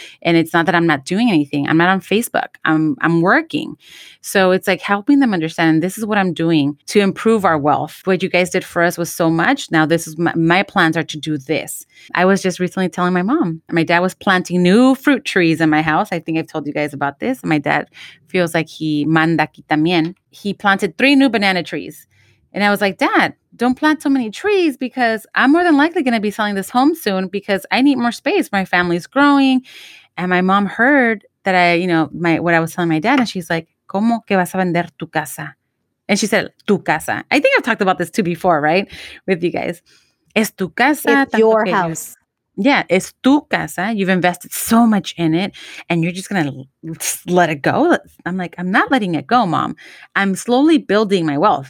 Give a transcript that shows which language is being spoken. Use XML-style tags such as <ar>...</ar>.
<en>And it's not that I'm not doing anything. I'm not on Facebook. I'm working. So it's like helping them understand this is what I'm doing to improve our wealth. What you guys did for us was so much. Now this is my plans are to do this. I was just recently telling my mom, my dad was planting new fruit trees in my house. I think I've told you guys about this. My dad feels like he</en> <es>manda aquí también.</es> <en>He planted 3 new banana trees. And I was like, Dad, don't plant so many trees because I'm more than likely going to be selling this home soon because I need more space. My family's growing. And my mom heard that what I was telling my dad. And she's like,</en> <es>¿Cómo que vas a vender tu casa?</es> <en>And she said,</en> <es>tu casa.</es> <en>I think I've talked about this too before, right? With you guys.</en> <es>Es tu casa.</es> <en>It's your house. Yeah, it's</en> <es>tu casa.</es> <en>You've invested so much in it and you're just going to let it go. I'm like, I'm not letting it go, mom. I'm slowly building my wealth.</en>